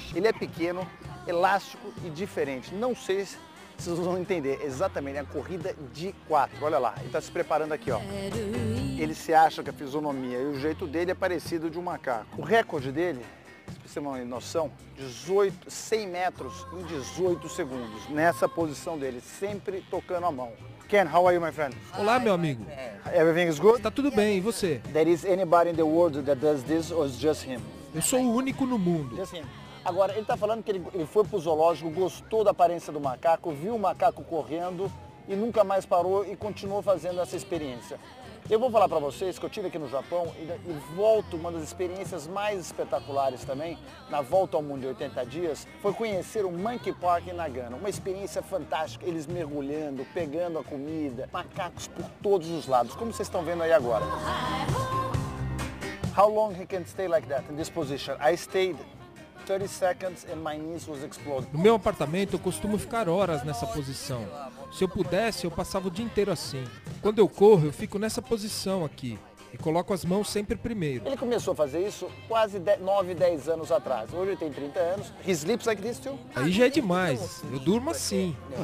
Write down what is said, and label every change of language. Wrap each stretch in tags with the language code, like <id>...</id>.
<pt>Ele é pequeno, elástico e diferente. Não sei se vocês vão entender exatamente, é a corrida de quatro. Olha lá, ele está se preparando aqui, ó. Ele se acha que a fisionomia e o jeito dele é parecido de um macaco. O recorde dele, pra você ter uma noção, 100 metros em 18 segundos, nessa posição dele, sempre tocando a mão.</pt> <en>Ken, how are you, my friend?</en> <pt>Olá, meu amigo.</pt> <en>Everything is good?</en> <pt>Está tudo bem, e você?</pt> <en>There is anybody in the world that does this or is just him?</en> <pt>Eu sou o único no mundo.</pt> <en>Just him.</en> <pt>Agora, ele está falando que ele foi pro zoológico, gostou da aparência do macaco, viu o macaco correndo e nunca mais parou e continuou fazendo essa experiência. Eu vou falar para vocês que eu tive aqui no Japão e volto, uma das experiências mais espetaculares também, na volta ao mundo de 80 dias, foi conhecer o Monkey Park em Nagano. Uma experiência fantástica, eles mergulhando, pegando a comida, macacos por todos os lados, como vocês estão vendo aí agora.</pt> <en>How long he can stay like that, in this position? I stayed 30 seconds and my knees was exploded.</en> <pt>No meu apartamento, eu costumo ficar horas nessa posição. Se eu pudesse, eu passava o dia inteiro assim. Quando eu corro, eu fico nessa posição aqui. E coloco as mãos sempre primeiro. Ele começou a fazer isso quase 9, 10 anos atrás. Hoje ele tem 30 anos.</pt> <en>He sleeps like this too?</en> <pt>Aí já é demais. Eu durmo assim.</pt>